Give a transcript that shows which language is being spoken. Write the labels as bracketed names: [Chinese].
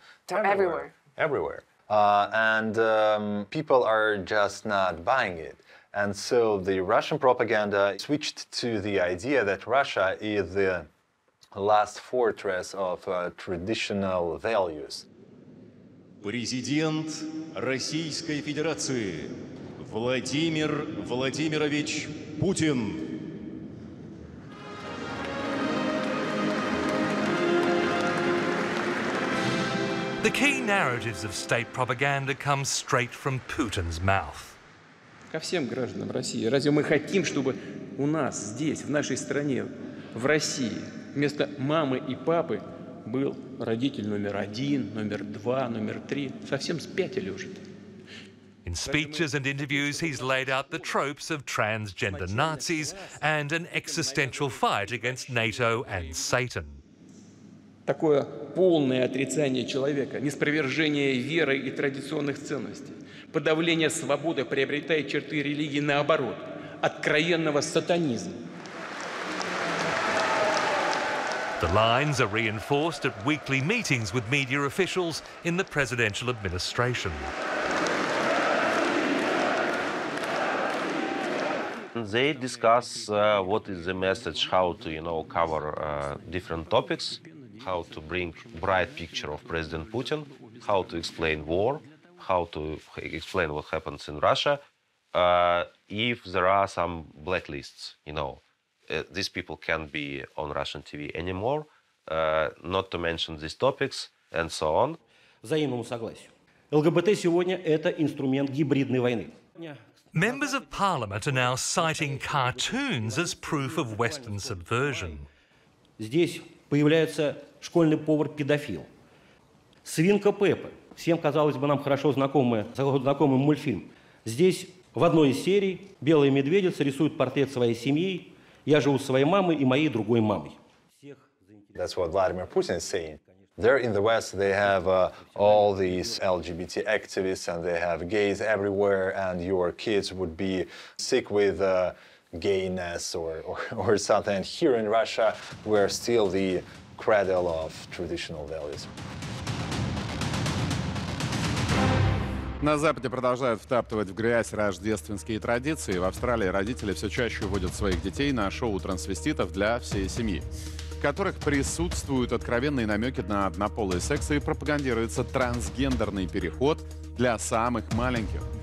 [English] Everywhere. And people are just not buying it. And so the Russian propaganda switched to the idea that Russia is the last fortress of traditional values. [Russian] Президент Российской Федерации Владимир Владимирович Путин. [English] The key narratives of state propaganda come straight from Putin's mouth. [Russian] Ко всем гражданам России. Разве мы хотим, чтобы у нас здесь, в нашей стране, в России, вместо мамы и папы был родитель номер один, номер два, номер три? Совсем спятили уже. [English] In speeches and interviews, he's laid out the tropes of transgender Nazis and an existential fight against NATO and Satan. [Russian] Такое полное отрицание человека, неспровержение веры и традиционных ценностей. Подавление свободы приобретает черты религии наоборот, откровенного сатанизма. [English] The lines are reinforced at weekly meetings with media officials in the presidential administration. They discuss what is the message, how to, you know, cover different topics, how to bring bright picture of President Putin, how to explain war, how to explain what happens in Russia, if there are some blacklists, you know. These people can't be on Russian TV anymore, not to mention these topics, and so on. [Russian] Взаимному согласию. ЛГБТ сегодня – это инструмент гибридной войны. [English] Members of Parliament are now citing cartoons as proof of Western subversion. [Russian] Здесь появляется школьный повар-педофил. Свинка Пеппа. Всем, казалось бы, нам хорошо знакомый мультфильм. Здесь в одной из серий белая медведица рисует портрет своей семьи. Я живу с своей мамой и моей другой мамой. [English] That's what Vladimir Putin is saying. There in the West, they have all these LGBT activists and they have gays everywhere, and your kids would be sick with gayness or something. Here in Russia, we're still the cradle of traditional values. [Russian] На Западе продолжают втаптывать в грязь рождественские традиции. В Австралии родители все чаще уводят своих детей на шоу трансвеститов для всей семьи, в которых присутствуют откровенные намеки на однополый секс и пропагандируется трансгендерный переход для самых маленьких.